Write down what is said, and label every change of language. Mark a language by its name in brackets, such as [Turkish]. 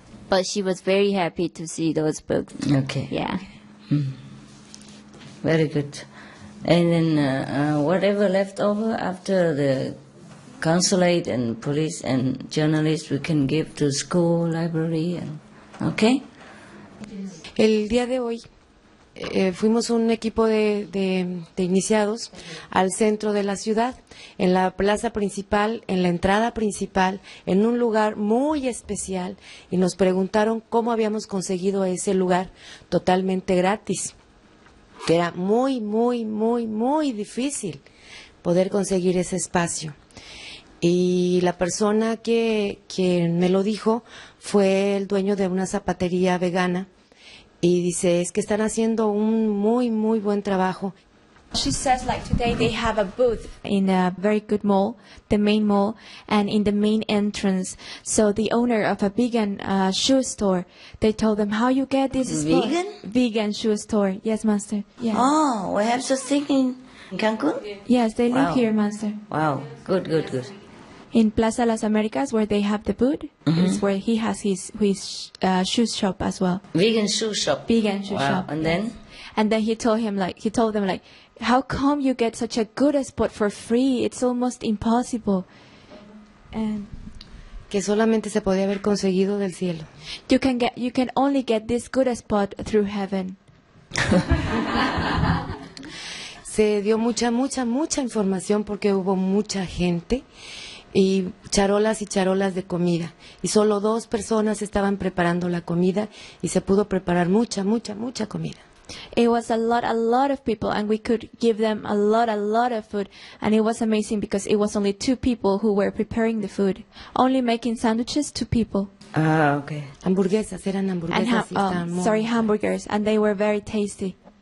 [English] But she was very happy to see those books. Okay. Yeah. Mm. Very good. And then whatever left over after the consulate and police and journalists, we can give to school, library, and okay? [Spanish] El día de hoy, fuimos un equipo de iniciados al centro de la ciudad, en la plaza principal, en la entrada principal, en un lugar muy especial, y nos preguntaron cómo habíamos conseguido ese lugar totalmente gratis, que era muy, muy, muy, muy difícil poder conseguir ese espacio. Y la persona que me lo dijo fue el dueño de una zapatería vegana, y dice, es que están haciendo un muy, muy buen trabajo. [English] She says like today they have a booth in a very good mall, the main mall, and in the main entrance. So the owner of a vegan shoe store, they told them, how you get this spot? Vegan? Vegan shoe store. Yes, master. Yes. Oh, we have such thing in Cancun? Yes, they live here, master. Wow, good, good, good. In Plaza Las Americas, where they have the booth, is where he has his shoe shop as well. Vegan shoe shop. Vegan shoe shop. And then? And then he told them, how come you get such a good spot for free? It's almost impossible. And [Spanish] que solamente se podía haber conseguido del cielo. [English] You can only get this good spot through heaven. [Spanish] Se dio mucha, mucha, mucha información porque hubo mucha gente. Y charolas de comida. Y solo dos personas estaban preparando la comida y se pudo preparar mucha, mucha, mucha comida. [English] It was a lot of people, and we could give them a lot of food. And it was amazing because it was only two people who were preparing the food. Only making sandwiches, two people. Okay. [Spanish] Hamburguesas, eran hamburguesas. [English] And hamburgers, and they were very tasty.